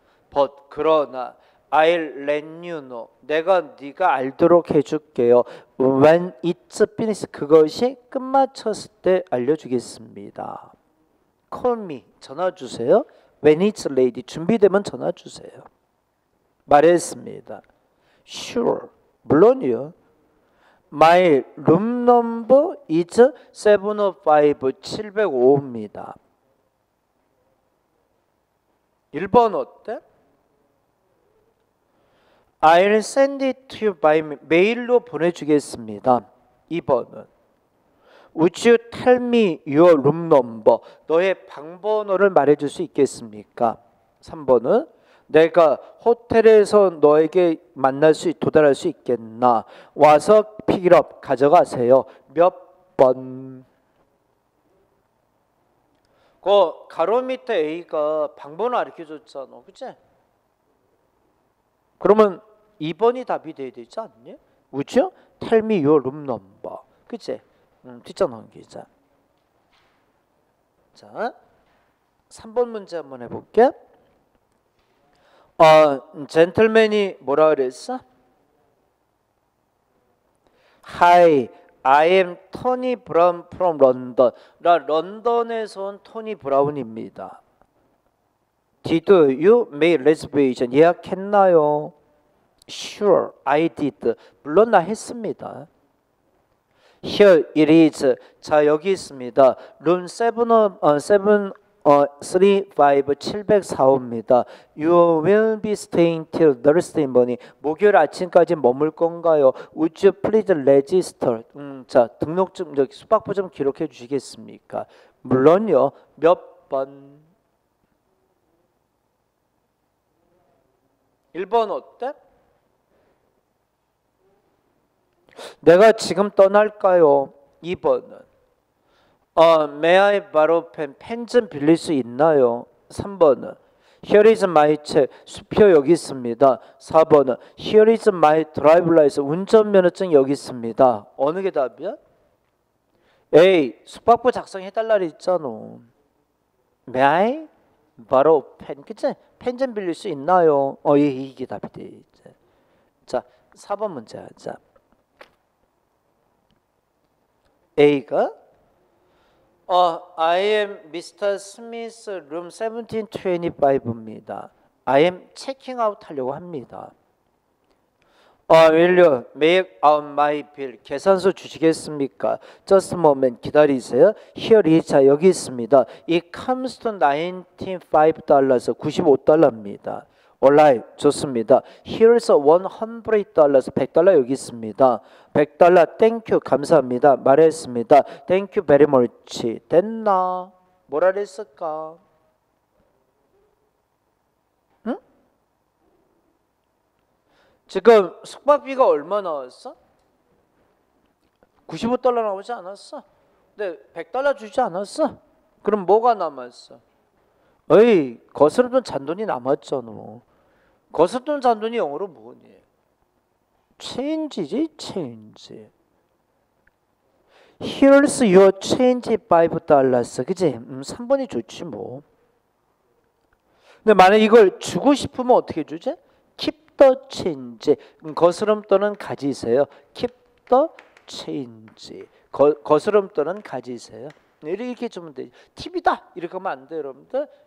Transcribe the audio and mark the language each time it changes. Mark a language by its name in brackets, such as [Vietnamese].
[English] But, [Korean] 그러나, [English] I'll let you know. [Korean] 내가 네가 알도록 해줄게요. [English] When it's finished, [Korean] 그것이 끝마쳤을 때 알려주겠습니다. [English] Call me, [Korean] 전화주세요. [English] When it's ready, [Korean] 준비되면 전화주세요. 말했습니다. [English] Sure, [Korean] 물론이요. [English] My room number is 705, [Korean] 705입니다. 1번 어때? [English] I'll send it to you by mail [Korean] 로 보내주겠습니다. 2번은 [English] Would you tell me your room number? [Korean] 너의 방번호를 말해줄 수 있겠습니까? 3번은 내가 호텔에서 너에게 만날 수 도달할 수 있겠나? 와서 [English] pick it up [Korean] 가져가세요. 몇 번? 그 가로 밑에 A가 방번호 알려줬잖아, 그치? 그러면 2번이 답이 돼야 되지 않니? 그죠? [English] Tell me your room number, [Korean] 그치? 뒷자 넘기자. 자, 3번 문제 한번 해볼게. 젠틀맨이 뭐라 그랬어? [English] Hi, I am Tony Brown from London. [Korean] 나 런던에서 온 토니 브라운입니다. [English] Did you make reservation? [Korean] 예약했나요? [English] Sure, I did. [Korean] 물론 나 했습니다. [English] Here it is. [Korean] 자, 여기 있습니다. Room 705입니다. [English] You will be staying till Thursday morning. [Korean] 목요일 아침까지 머물 건가요? [English] Would you please register? [Korean] 자, 등록 좀 여기 숙박부 좀 기록해 주시겠습니까? 물론요. 몇 번? 1번 어때? 내가 지금 떠날까요? 2번은 [English] may I borrow pen? [Korean] 펜 좀 빌릴 수 있나요? 3번은 [English] Here is my check. [Korean] 수표 여기 있습니다. 4번은 [English] Here is my driver's license. [Korean] 운전면허증 여기 있습니다. 어느 게 답이야? A. 숙박부 작성해달라 했잖아. [English] May I borrow pen? [Korean] 그치? 펜 좀 빌릴 수 있나요? 이게 답이 돼 이제. 자, 4번 문제 하자. A가 [English] I am Mr. Smith's room 1725입니다. I am checking out [Korean] 하려고 합니다. [English] Will you make out my bill? [Korean] 계산서 주시겠습니까? [English] Just a moment, [Korean] 기다리세요. [English] Here is, [Korean] 자, 여기 있습니다. [English] It comes to $95, [Korean] 95달러입니다. [English] All right, [Korean] 좋습니다. [English] Here's [Korean] $100, $100 여기 있습니다. [English] $100, thank you, [Korean] 감사합니다. 말했습니다. [English] Thank you very much. [Korean] 됐나? 뭐라 그랬을까? 지금 숙박비가 얼마 나왔어? 95달러 나오지 않았어? 근데 100달러 주지 않았어? 그럼 뭐가 남았어? 어이, 거스름돈 잔돈이 남았죠, 너. 거스름돈 잔돈이 영어로 뭐니? 체인지지, 체인지. [English] Here's your change, $5, [Korean] 그지? 3번이 좋지, 뭐. 근데 만약 이걸 주고 싶으면 어떻게 주지? [English] Keep the change. [Korean] 거스름돈은 가지세요. [English] Keep the change. [Korean] 거스름돈은 가지세요. 이렇게 주면 돼. TV다! 이렇게 하면 안 돼, 여러분들.